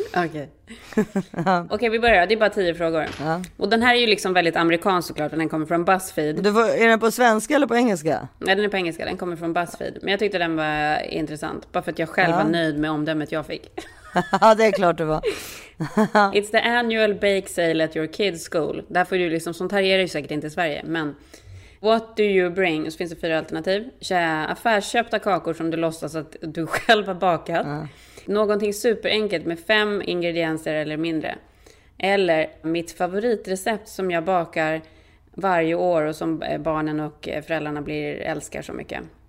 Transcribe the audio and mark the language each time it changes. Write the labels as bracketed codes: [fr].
[sv] Okej. Okej, vi börjar. Det är bara 10 frågor. Ja. Och den här är ju liksom väldigt amerikansk såklart. Den kommer från BuzzFeed. Är den på svenska eller på engelska? Nej, den är på engelska. Den kommer från BuzzFeed. Men jag tyckte den var intressant. Bara för att jag själv var nöjd med omdömet jag fick. Ja, det är klart det var. [en] It's the annual bake sale at your kids school. [sv] Där får du liksom, sånt här är det ju säkert inte i Sverige. Men [en] what do you bring? [sv] Så finns det 4 alternativ. Affärsköpta kakor som du låtsas att du själv har bakat. Någonting superenkelt med 5 ingredienser eller mindre. Eller mitt favoritrecept som jag bakar varje år och som barnen och föräldrarna älskar så mycket.